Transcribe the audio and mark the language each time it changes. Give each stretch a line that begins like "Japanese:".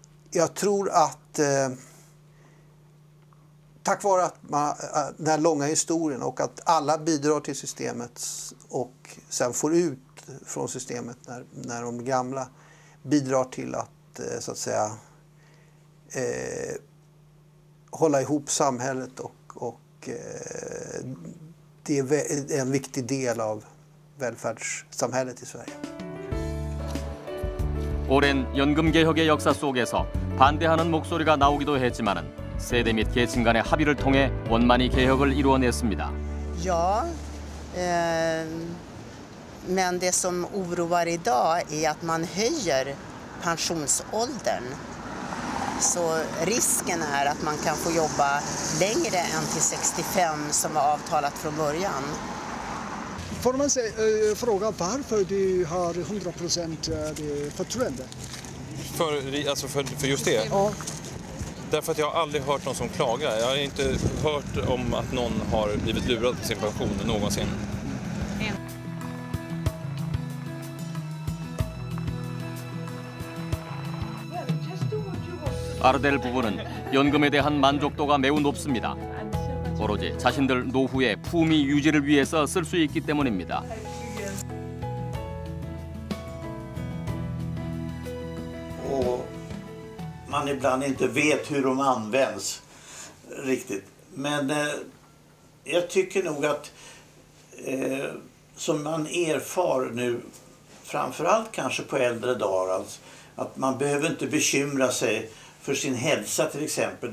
Swedish: Jag tror att tack vare att man den här långa historien och att alla bidrar till systemet och sen får ut från systemet när de gamla bidrar till att så att säga hålla ihop samhället och det är en viktig del av välfärdssamhället i Sverige.
Korean: 오랜 연금 개혁의 역사 속에서 반대하는 목소리가 나오기도 했지만은 세대 및 계층 간의 합의를 통해 원만히 개혁을 이루어냈습니다. Ja.
Swedish: Men det som oroar idag är att man höjer pensionsåldern. Så risken är att man kan få jobba längre än till 65 som var avtalat från början. Får man sig, fråga varför du har 100% förtroende? För just det? Ja. Därför att jag har aldrig hört någon som klagar. Jag har inte hört om att någon har blivit lurad på sin pension någonsin.
Korean: 아르델 부부는 연금에 대한 만족도가 매우 높습니다. 오로지 자신들 노후의 품위 유지를 위해서 쓸 수 있기 때문입니다.
Swedish: 오, man ibland inte vet hur de används riktigt. Men jag tycker nog att som man erfar nu framförallt kanske på äldre dagar alltså, att man behöver inte bekymra sig för sin hälsa till exempel.